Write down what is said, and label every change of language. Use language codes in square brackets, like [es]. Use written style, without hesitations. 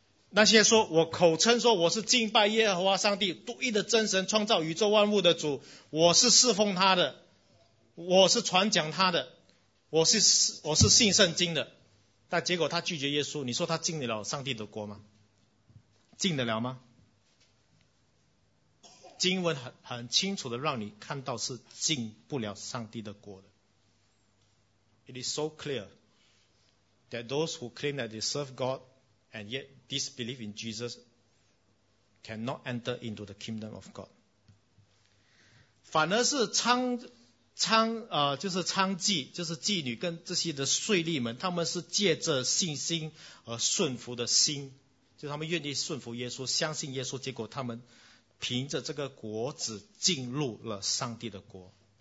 [zh] 那些说我口称说我是敬拜耶和华上帝独一的真神，创造宇宙万物的主，我是侍奉他的，我是传讲他的，我是信圣经的，但结果他拒绝耶稣，你说他进得了上帝的国吗？进得了吗？经文 很清楚的让你看到是进不了上帝的国的。 [en] It is so clear that those who claim that they serve God and yet disbelieve in Jesus cannot enter into the kingdom of God。 [zh] 反而是娼妓，就是妓女跟这些的税吏们，他们是借着信心而顺服的心，就他们愿意顺服耶稣，相信耶稣，结果他们凭着这个果子进入了上帝的国。